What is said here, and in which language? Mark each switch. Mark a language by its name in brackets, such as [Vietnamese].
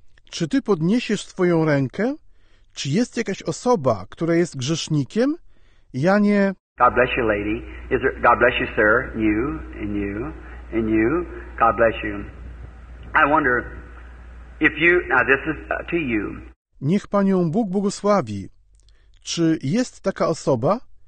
[Polish] Czy ty podniesiesz swoją rękę? Czy jest jakaś osoba, która jest grzesznikiem? Ja nie. [English] God bless you, lady. Is there, God bless you, sir. You and you. And you, God bless you. I wonder if you, now this is to you. [Polish] Niech Panią Bóg błogosławi. Czy jest taka osoba?